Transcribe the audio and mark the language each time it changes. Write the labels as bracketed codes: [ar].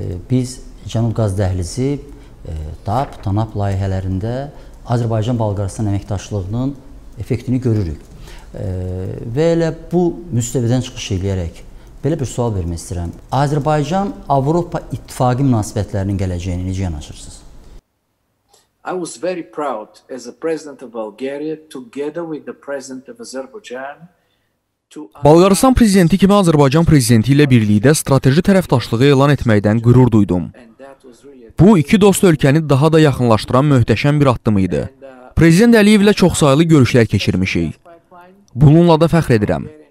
[az] Biz Cənub Qaz Dəhlizi TAP-TANAP layihələrində Azərbaycan-Balqaristan əməkdaşlığının effektini görürük. Və elə bu müstəvidən çıxış eləyərək belə bir sual vermək istəyirəm. Azərbaycan-Avropa İttifaqı münasibətlərinin gələcəyini necə yanaşırsınız? [en] I was very proud as a president of Bulgaria together with the president of Azerbaijan. [az] Balqaristan prezidenti kimi Azərbaycan prezidenti ilə birlikdə strateji tərəfdaşlığı elan etməkdən qürur duydum. Bu, iki dost ölkəni daha da yaxınlaşdıran möhtəşəm bir addım idi. Prezident Əliyev ilə çoxsaylı görüşlər keçirmişik. Bununla da fəxr edirəm.